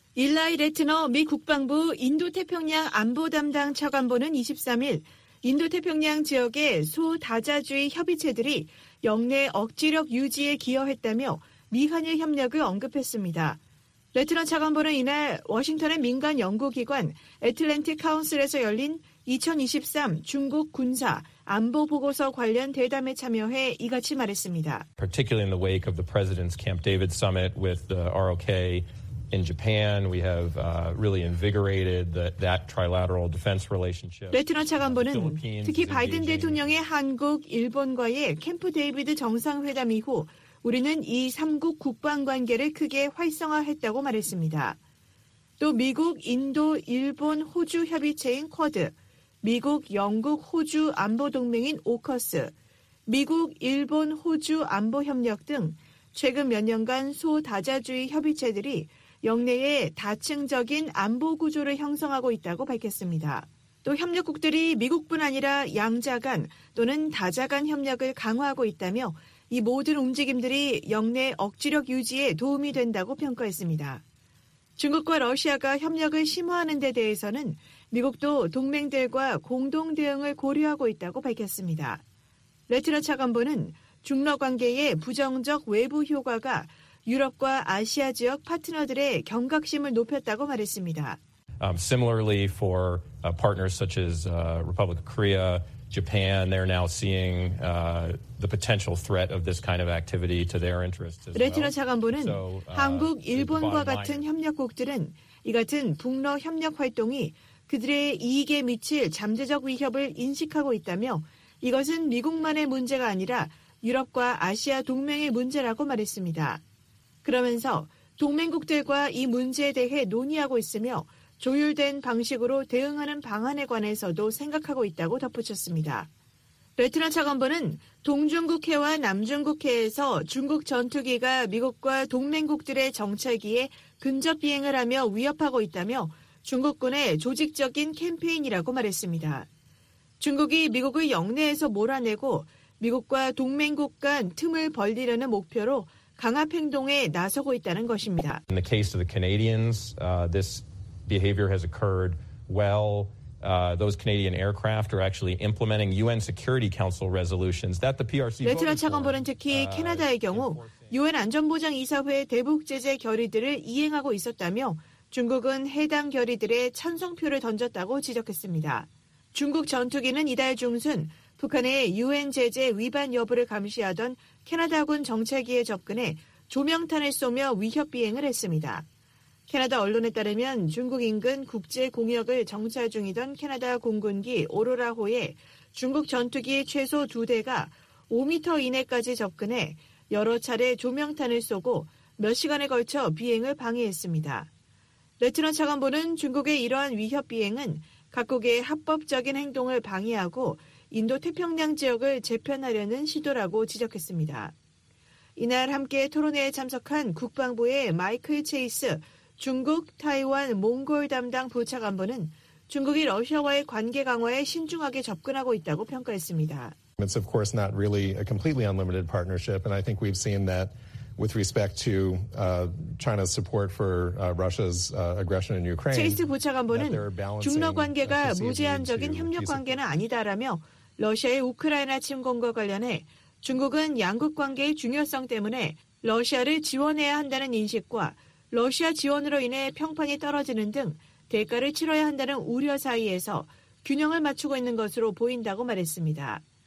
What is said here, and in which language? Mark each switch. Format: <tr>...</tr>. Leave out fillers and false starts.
<ko>일라이 레트너 미 국방부 인도태평양 안보 담당 차관보는 23일 인도태평양 지역의 소다자주의 협의체들이 역내 억지력 유지에 기여했다며 미한일 협력을 언급했습니다. 레트너 차관보는 이날 워싱턴의 민간 연구기관 애틀랜틱 카운슬에서 열린 2023 중국 군사 안보 보고서 관련 대담에 참여해 이같이 말했습니다.</ko> <en>Particularly in the wake of the President's Camp David summit with the ROK In Japan, we have really invigorated that trilateral defense relationship.</en> <ko>레트너 차관보는 특히 바이든 대통령의 한국, 일본과의 캠프 데이비드 정상회담 이후 우리는 이 3국 국방관계를 크게 활성화했다고 말했습니다. 또 미국, 인도, 일본, 호주 협의체인 쿼드, 미국, 영국, 호주 안보 동맹인 오커스, 미국, 일본, 호주 안보 협력 등 최근 몇 년간 소다자주의 협의체들이 영내에 다층적인 안보 구조를 형성하고 있다고 밝혔습니다. 또 협력국들이 미국뿐 아니라 양자간 또는 다자간 협력을 강화하고 있다며 이 모든 움직임들이 영내 억지력 유지에 도움이 된다고 평가했습니다. 중국과 러시아가 협력을 심화하는 데 대해서는 미국도 동맹들과 공동 대응을 고려하고 있다고 밝혔습니다. 레트너 차관보는 중러 관계의 부정적 외부 효과가 유럽과 아시아 지역 파트너들의 경각심을 높였다고 말했습니다.</ko> <en>Similarly for partners such as Republic of Korea, Japan, they're now seeing the potential threat of this kind of activity to their interests.</en> <ko>레트너 차관보는 한국, 일본과 같은 협력국들은 이 같은 북러 협력 활동이 그들의 이익에 미칠 잠재적 위협을 인식하고 있다며 이것은 미국만의 문제가 아니라 유럽과 아시아 동맹의 문제라고 말했습니다. 그러면서 동맹국들과 이 문제에 대해 논의하고 있으며 조율된 방식으로 대응하는 방안에 관해서도 생각하고 있다고 덧붙였습니다. 레트너 차관보는 동중국해와 남중국해에서 중국 전투기가 미국과 동맹국들의 정찰기에 근접 비행을 하며 위협하고 있다며 중국군의 조직적인 캠페인이라고 말했습니다. 중국이 미국을 영내에서 몰아내고 미국과 동맹국 간 틈을 벌리려는 목표로 강압 행동에 나서고 있다는 것입니다.</ko> <en>In the case of the Canadians, this behavior has occurred well. Those Canadian aircraft are actually implementing UN Security Council resolutions that the PRC.</en> <ko>레트너 차관보는 특히 캐나다의 경우 UN 안전보장 이사회 대북 제재 결의들을 이행하고 있었다며 중국은 해당 결의들의 찬성표를 던졌다고 지적했습니다. 중국 전투기는 이달 중순 북한의 UN 제재 위반 여부를 감시하던 캐나다군 정찰기에 접근해 조명탄을 쏘며 위협 비행을 했습니다. 캐나다 언론에 따르면 중국 인근 국제공역을 정찰 중이던 캐나다 공군기 오로라호에 중국 전투기 최소 두 대가 5m 이내까지 접근해 여러 차례 조명탄을 쏘고 몇 시간에 걸쳐 비행을 방해했습니다. 레트너 차관보는 중국의 이러한 위협 비행은 각국의 합법적인 행동을 방해하고 인도태평양 지역을 재편하려는 시도라고 지적했습니다. 이날 함께 토론회에 참석한 국방부의 마이클 체이스 중국, 타이완, 몽골 담당 부차관보는 중국이 러시아와의 관계 강화에 신중하게 접근하고 있다고 평가했습니다.</ko> <en>It's of course not really a completely unlimited partnership, and I think we've seen that with respect to China's support for Russia's aggression in Ukraine.</en> <ko>체이스 부차관보는 중러 관계가 무제한적인 협력 관계는 아니다라며 러시아의 우크라이나 침공과 관련해 중국은 양국 관계의 중요성 때문에 러시아를 지원해야 한다는 인식과 러시아 지원으로 인해 평판이 떨어지는 등 대가를 치러야 한다는 우려 사이에서 균형을 맞추고 있는 것으로 보인다고 말했습니다.</ko>